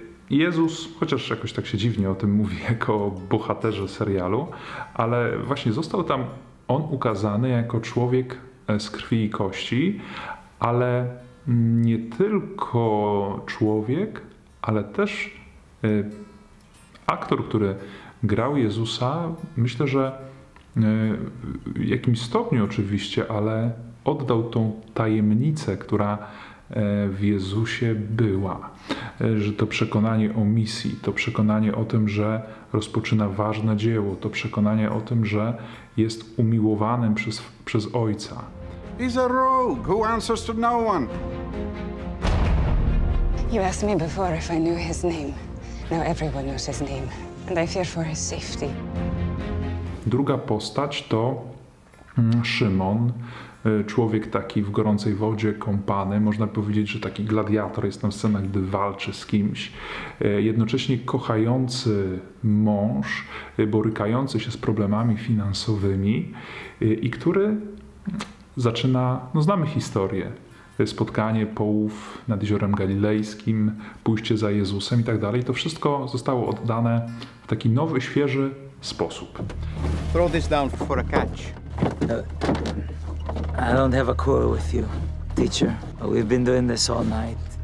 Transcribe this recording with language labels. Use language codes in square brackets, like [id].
[pl] Jezus, chociaż jakoś tak się dziwnie o tym mówi jako bohaterze serialu, ale właśnie został tam on ukazany jako człowiek z krwi i kości, ale nie tylko człowiek, ale też aktor, który grał Jezusa, myślę, że w jakimś stopniu oczywiście, ale oddał tą tajemnicę, która w Jezusie była. Że to przekonanie o misji, to przekonanie o tym, że rozpoczyna ważne dzieło, to przekonanie o tym, że jest umiłowanym przez Ojca. [en] He's a rogue who answers to no one. You asked me before if I knew his name. Now everyone knows his name. And I fear for his safety. [pl] Druga postać to Szymon. Człowiek taki w gorącej wodzie kąpany. Można powiedzieć, że taki gladiator. Jest tam w scenach, gdy walczy z kimś. Jednocześnie kochający mąż, borykający się z problemami finansowymi i który zaczyna, no znamy historię, spotkanie połów nad Jeziorem Galilejskim, pójście za Jezusem i tak dalej. To wszystko zostało oddane w taki nowy, świeży sposób. [en] Throw this down for a catch. I don't have a quarrel with you, teacher. But we've been doing this all night.